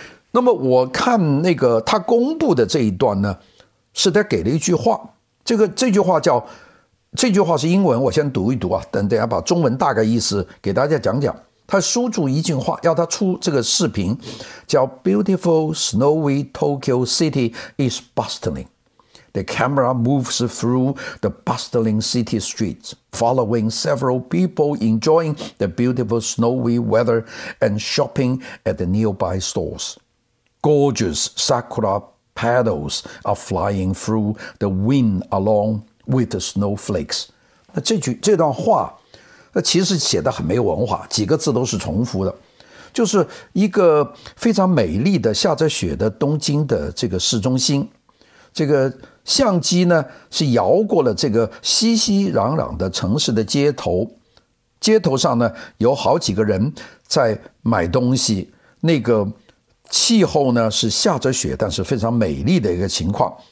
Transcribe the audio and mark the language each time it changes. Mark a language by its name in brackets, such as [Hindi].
[Chinese] 那么我看那个他公布的这一段呢，是他给了一句话，这句话是英文，我先读一读啊，等下把中文大概意思给大家讲讲。他输入一句话，要他出这个视频，叫 [English] Beautiful snowy Tokyo city is bustling. The camera moves through the bustling city streets, following several people enjoying the beautiful snowy weather and shopping at the nearby stores. Gorgeous sakura petals are flying through the wind along with the snowflakes. [Chinese] 那这段话那其实写得很没有文化，几个字都是重复的。就是一个非常美丽的下着雪的东京的这个市中心，这个相机呢是摇过了这个熙熙攘攘的城市的街头，街头上呢有好几个人在买东西，那个气候呢是下着雪但是非常美丽的一个情况。